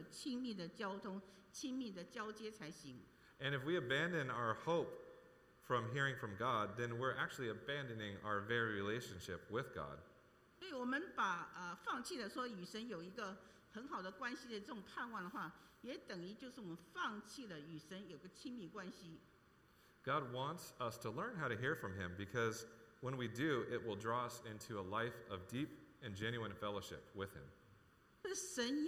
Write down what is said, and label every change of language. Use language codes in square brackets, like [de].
[zh] 我们想要向着耶稣的这个过程，是一定要有一个亲密的关系。那要有这个亲密的关系，就一定要有亲密的交通、亲密的交接才行。 [en] And if we abandon our hope from hearing from God, then we're actually abandoning our very relationship with God. [zh] 所以我们放弃了说与神有一个很好的关系的这种盼望的话，也等于就是我们放弃了与神有个亲密关系。 [en] God wants us to learn how to hear from Him because when we do, it will draw us into a life of deep and genuine fellowship with Him.